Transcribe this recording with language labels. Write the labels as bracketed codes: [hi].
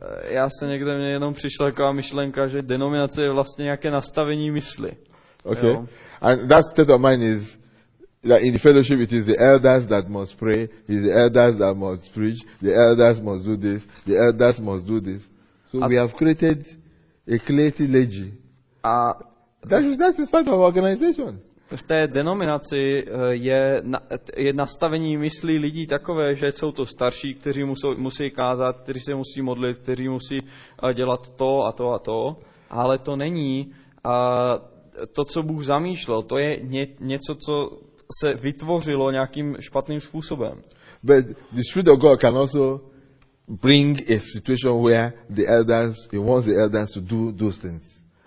[cs] Já se někde mě jenom přišla taková myšlenka, že denominace je vlastně nějaké nastavení mysli. Okay. Jo? [en] And that state of mind is that in the fellowship it is the elders that must pray, it is the elders that must preach, the elders must do this, the elders must do this. So we have created a clergy liturgy. That is part of organization. [cs] V té denominaci je nastavení myslí lidí takové, že jsou to starší, kteří musí kázat, kteří se musí modlit, kteří musí dělat to a to a to, ale to není to, co Bůh zamýšlel, to je něco, co se vytvořilo nějakým špatným způsobem. [en] But the Spirit of God can also bring a situation where the elders, he wants the elders to do those things.